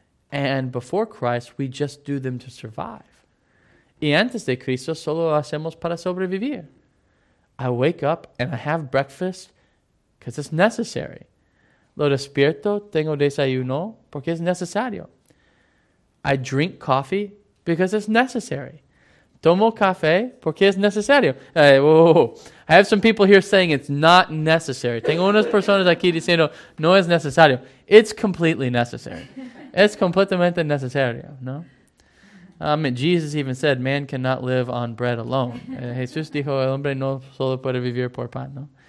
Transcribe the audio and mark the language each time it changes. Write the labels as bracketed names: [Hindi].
[English] And before Christ, we just do them to survive. [Spanish] Y antes de Cristo, solo hacemos para sobrevivir. [English] I wake up and I have breakfast because it's necessary. [Spanish] Lo despierto, tengo desayuno, porque es necesario. [English] I drink coffee because it's necessary. [Spanish] Tomo café porque es necesario. [English] Hey, whoa, whoa, whoa. I have some people here saying it's not necessary. [Spanish] Tengo unas personas aquí diciendo no es necesario. [English] It's completely necessary. [Spanish] Es completamente necesario, ¿no? [English] Jesus even said, man cannot live on bread alone. [Spanish] Jesús dijo, el hombre no solo puede vivir por pan, ¿no?